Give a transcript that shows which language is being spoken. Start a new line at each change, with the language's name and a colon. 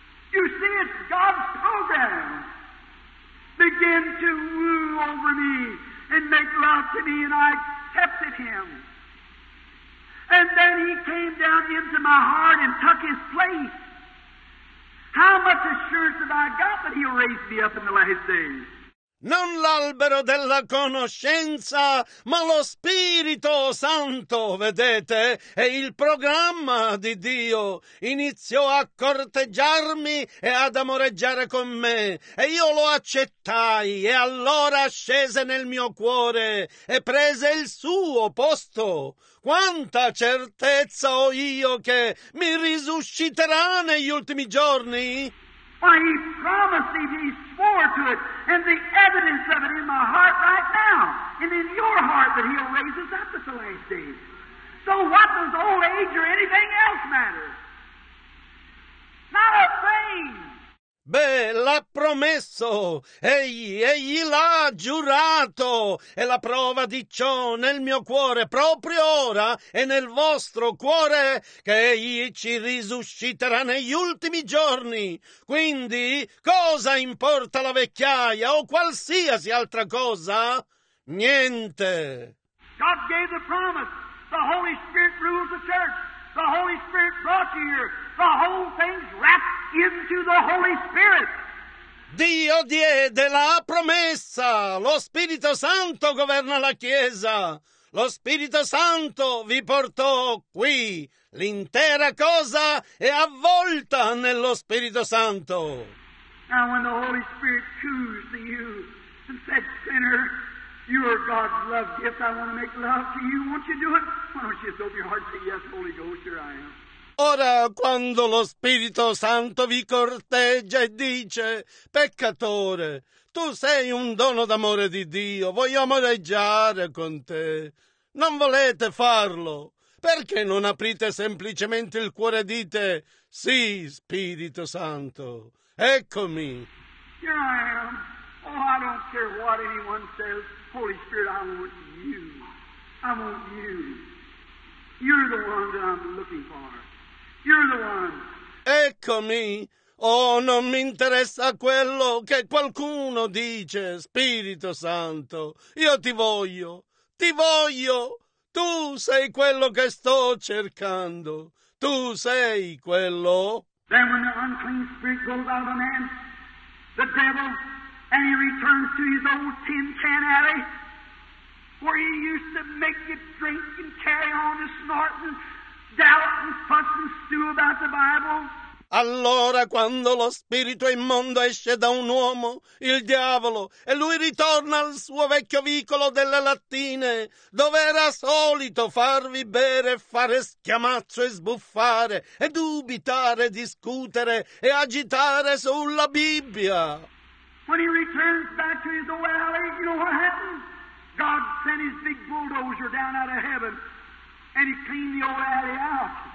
English: You see, it's God's program. Begin to woo over me and make love to me, and I accepted him. And then he came down into my heart and took his place. How much assurance have I got that he'll raise me up in the last days?
Italian: Non l'albero della conoscenza, ma lo Spirito Santo, vedete, è il programma di Dio. Iniziò a corteggiarmi e ad amoreggiare con me, e io lo accettai, e allora scese nel mio cuore e prese il suo posto. Quanta certezza ho io che mi risusciterà negli ultimi giorni?
English: Why, he promised, he swore to it, and the evidence of it in my heart right now, and in your heart, that he'll raise us up at the last day. So what does old age or anything else matter? Not a thing!
Italian: Beh, l'ha promesso, egli l'ha giurato, e la prova di ciò nel mio cuore proprio ora e nel vostro cuore, che egli ci risusciterà negli ultimi giorni. Quindi, cosa importa la vecchiaia o qualsiasi altra cosa? Niente.
English: God gave the promise. The Holy Spirit rules the church. The Holy Spirit brought you here. The whole thing's wrapped into the Holy Spirit.
Italian: Dio diede la promessa. Lo Spirito Santo governa la Chiesa. Lo Spirito Santo vi portò qui. L'intera cosa è avvolta nello Spirito Santo.
English: Now when the Holy Spirit chose to you and said, sinner, you are God's love gift. I want to make love to you. Won't you do it? Why don't you just open your heart and say, yes, Holy Ghost, here I am.
Italian: Ora, quando lo Spirito Santo vi corteggia e dice, peccatore, tu sei un dono d'amore di Dio, voglio amoreggiare con te. Non volete farlo? Perché non aprite semplicemente il cuore e dite, sì, Spirito Santo, eccomi.
English: Here I am. Oh, I don't care what anyone says. Holy Spirit, I want you. I want you. You're the one that I'm looking for. You're the one.
Italian: Eccomi. Oh, non mi interessa quello che qualcuno dice, Spirito Santo. Io ti voglio. Ti voglio. Tu sei quello che sto cercando. Tu sei quello.
English: Then when the unclean spirit goes out of a man, the devil, and he returns to his old tin can alley, where he used to make it drink and carry on and snort and doubt and fuss and stew about the Bible.
Italian: Allora, quando lo spirito immondo esce da un uomo, il diavolo, e lui ritorna al suo vecchio vicolo delle lattine, dove era solito farvi bere, fare schiamazzo e sbuffare, e dubitare, discutere e agitare sulla Bibbia.
English: When he returns back to his old alley, you know what happened? God sent his big bulldozer down out of heaven, and he cleaned the old alley out.